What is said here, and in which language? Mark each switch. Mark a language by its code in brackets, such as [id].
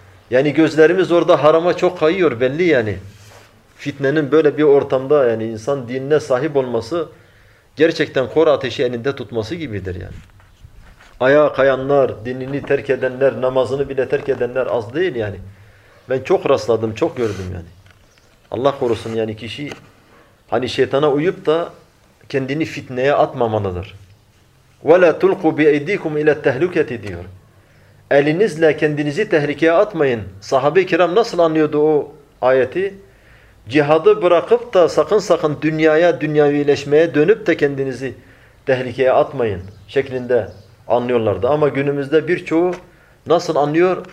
[tr] Yani gözlerimiz orada harama çok kayıyor belli yani. Fitnenin böyle bir ortamda yani insan dinine sahip olması gerçekten kor ateşi elinde tutması gibidir yani. Ayağa kayanlar, dinini terk edenler, namazını bile terk edenler az değil yani. Ben çok rastladım, çok gördüm yani. Allah korusun yani kişi hani şeytana uyup da kendini fitneye atmamalıdır. [ar] وَلَا تُلْقُوا بِاَيْد۪يكُمْ اِلَى التَّهْلُكَةِ [tr] diyor. Elinizle kendinizi tehlikeye atmayın. Sahabe-i kiram nasıl anlıyordu o ayeti? Cihadı bırakıp da sakın sakın dünyaya, dünyevileşmeye dönüp de kendinizi tehlikeye atmayın şeklinde anlıyorlardı. Ama günümüzde birçoğu nasıl anlıyor?